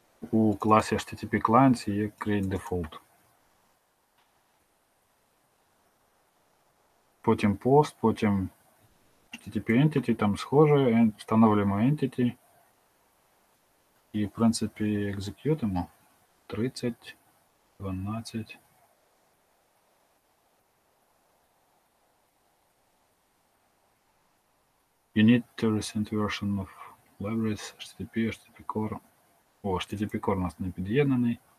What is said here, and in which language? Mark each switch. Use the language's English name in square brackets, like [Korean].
[Ukrainian] У класі HTTP Clients є Create Default. Потім Post, потім HTTP Entity, там схоже, встановлюємо Entity. І, в принципі, екзекютимо. [English] 30, 12. You need to recent version of libraries, HTTP, HTTP Core. [Ukrainian] О, HTTP Core у нас не під'єднаний.